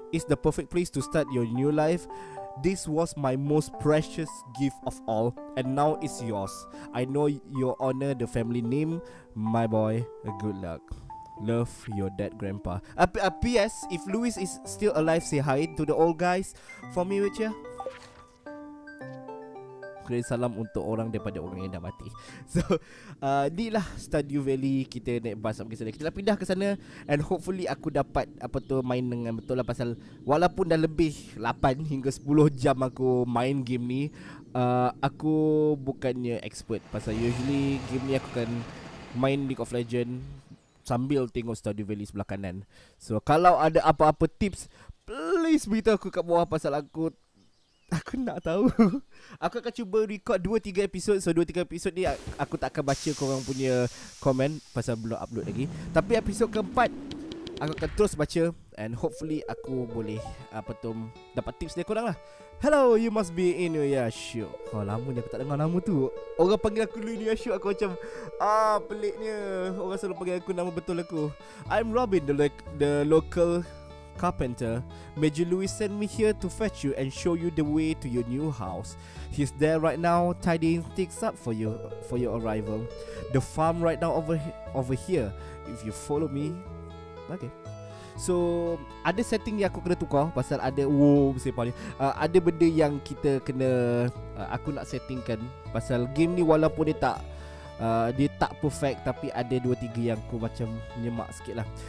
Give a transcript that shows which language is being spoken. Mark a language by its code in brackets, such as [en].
[en] It's the perfect place to start your new life. This was my most precious gift of all, and now it's yours. I know you honor the family name, my boy. Good luck. Love, your dad, grandpa. P.S. If Louis is still alive, say hi to the old guys for me, would ya? [ms] kirim salam untuk orang daripada orang yang dah mati. So ni lah Stardew Valley. Kita naik bus sampai ke sana. Kita dah pindah ke sana and hopefully aku dapat apa tu main dengan betul lah, pasal walaupun dah lebih 8 hingga 10 jam aku main game ni, aku bukannya expert, pasal usually game ni aku akan main League of Legends sambil tengok Stardew Valley sebelah kanan. So kalau ada apa-apa tips, please beritahu aku kat bawah, pasal aku aku nak tahu. Aku akan cuba record 2-3 episod. So 2-3 episod ni aku tak akan baca korang punya komen, pasal belum upload lagi. Tapi episod keempat aku akan terus baca and hopefully aku boleh apa tu dapat tips dari korang lah. [en] Hello, you must be [ms] Inu Yashu. Oh, lama ni aku tak dengar nama tu. Orang panggil aku Inu Yashu, aku macam ah peliknya. Orang selalu panggil aku nama betul aku. [en] I'm Robin, the local carpenter. Major Louis sent me here to fetch you and show you the way to your new house. He's there right now, tidying things up for you for your arrival. The farm right now over here. If you follow me. Okay. [ms] So ada setting yang aku kena tukar, pasal ada ada benda yang kita kena aku nak settingkan, pasal game ni walaupun dia tak perfect, tapi ada 2-3 yang aku macam nyemak sikit lah.